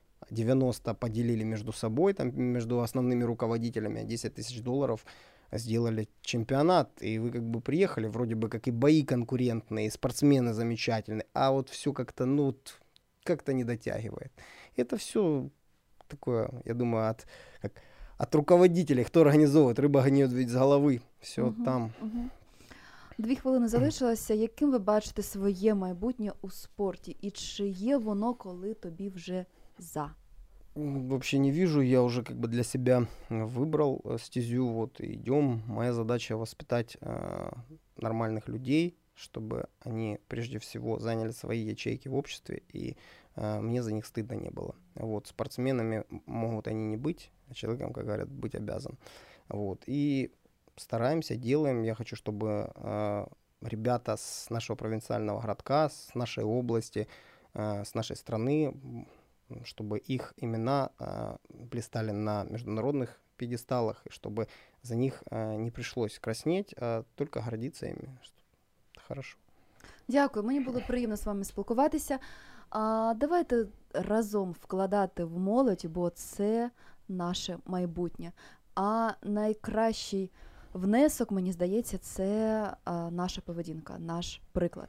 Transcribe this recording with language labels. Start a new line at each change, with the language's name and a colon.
Russian: 90 поделили между собой, там, между основными руководителями, $10,000 сделали чемпионат, и вы как бы приехали, вроде бы как и бои конкурентные, спортсмены замечательные, а вот все как-то, ну, вот, как-то не дотягивает. Это все такое, я думаю, от руководителей, кто организовывает, рыба гниет ведь с головы, все там.
Ukrainian: Дві хвилини залишилося. Яким ви бачите своє майбутнє у спорті? І чи є воно, коли тобі вже за?
Russian: Вообще не вижу, я уже как бы для себя выбрал стезю, вот идем. Моя задача воспитать нормальных людей, чтобы они прежде всего заняли свои ячейки в обществе, и мне за них стыдно не было. Вот, спортсменами могут они не быть, а человеком, как говорят, быть обязан. Вот, и стараемся, делаем. Я хочу, чтобы ребята с нашего провинциального городка, с нашей области, с нашей страны, чтобы их имена блистали на международных пьедесталах, и чтобы за них не пришлось краснеть, а только гордиться ими. Это хорошо.
Ukrainian: Дякую. Мені було приємно з вами спілкуватися. Давайте разом вкладати в молодь, бо це наше майбутнє. А найкращий внесок, мені здається, це наша поведінка, наш приклад.